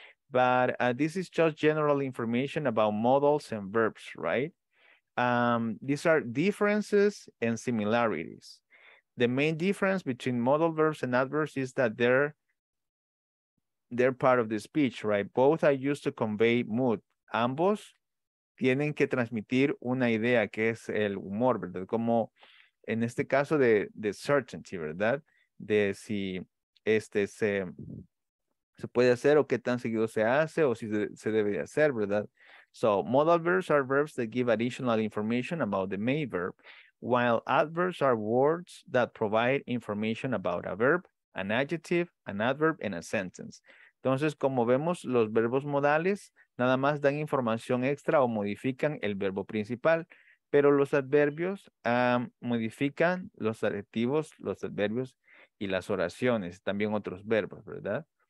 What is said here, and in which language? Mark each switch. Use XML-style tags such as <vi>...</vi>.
<en>But this is just general information about modals and verbs, right? These are differences and similarities. The main difference between modal verbs and adverbs is that they're part of the speech, right? Both are used to convey mood.</en> <es>Ambos tienen que transmitir una idea que es el humor, ¿verdad? Como en este caso de certainty, ¿verdad? De si se puede hacer o qué tan seguido se hace o si se debe hacer, ¿verdad?</es> <en>So, modal verbs are verbs that give additional information about the main verb, while adverbs are words that provide information about a verb, an adjective, an adverb, and a sentence.</en> <es>Entonces, como vemos, los verbos modales nada más dan información extra o modifican el verbo principal, pero los adverbios modifican los adjetivos, los adverbios y las oraciones, también otros verbos, ¿verdad?</es>